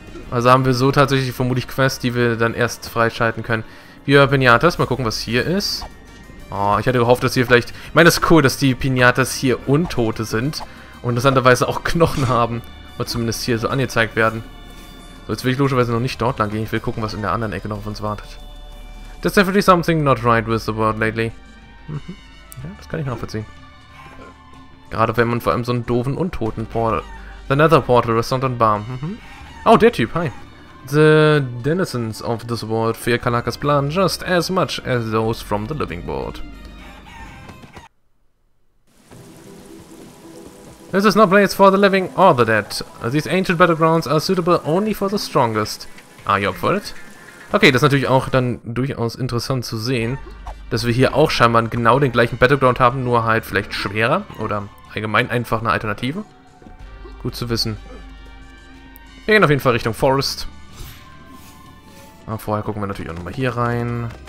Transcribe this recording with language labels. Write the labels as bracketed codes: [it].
[de] Also haben wir so tatsächlich vermutlich Quests, die wir dann erst freischalten können. Via Piñatas. Mal gucken, was hier ist. Oh, ich hatte gehofft, dass hier vielleicht. Ich meine, es ist cool, dass die Piñatas hier Untote sind. Und interessanterweise auch Knochen haben. Oder zumindest hier so angezeigt werden. So, jetzt will ich logischerweise noch nicht dort lang gehen. Ich will gucken, was in der anderen Ecke noch auf uns wartet. [en] There's definitely something not right with the world lately. [de] Mhm. Ja, das kann ich nachvollziehen. Gerade wenn man vor allem so einen doofen Untoten Portal. The Nether Portal, Restaurant and Bar. Mhm. Oh, der Typ, hi. [en] The denizens of this world fear Kalakas' plan just as much as those from the living world. This is no place for the living or the dead. These ancient battlegrounds are suitable only for the strongest. Are you up for it? [de] Okay, das ist natürlich auch dann durchaus interessant zu sehen, dass wir hier auch scheinbar genau den gleichen Battleground haben, nur halt vielleicht schwerer oder allgemein einfach eine Alternative. Gut zu wissen. Wir gehen auf jeden Fall Richtung Forest. Vorher gucken wir natürlich auch nochmal hier rein.